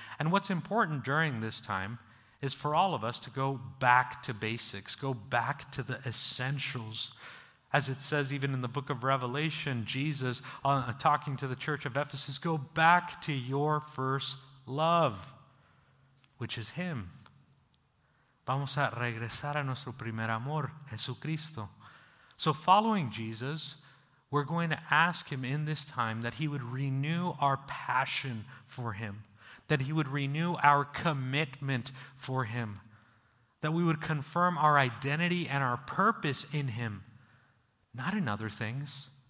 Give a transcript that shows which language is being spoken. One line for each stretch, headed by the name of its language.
English: And what's important during this time is for all of us to go back to basics, go back to the essentials. As it says even in the book of Revelation, Jesus, talking to the church of Ephesus, go back to your first love, which is him.
Spanish: Vamos a regresar a nuestro primer amor, Jesucristo.
English: So following Jesus, we're going to ask him in this time that he would renew our passion for him, that he would renew our commitment for him, that we would confirm our identity and our purpose in him, not in other things.